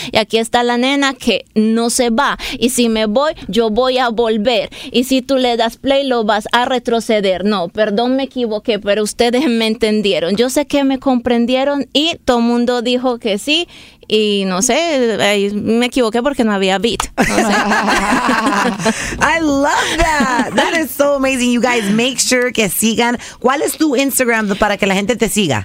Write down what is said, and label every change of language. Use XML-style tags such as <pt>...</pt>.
<es>Y aquí está la nena que no se va. Y si me voy, yo voy a volver. Y si tú le das play, lo vas a retroceder. No, perdón, me equivoqué, pero ustedes me entendieron. Yo sé que me comprendieron y todo mundo dijo que sí. y no sé, me equivoqué porque no había beat.</es> <en>I love that. That is so amazing. You guys, make sure</en> <es>que sigan. ¿Cuál es tu Instagram para que la gente te siga?</es>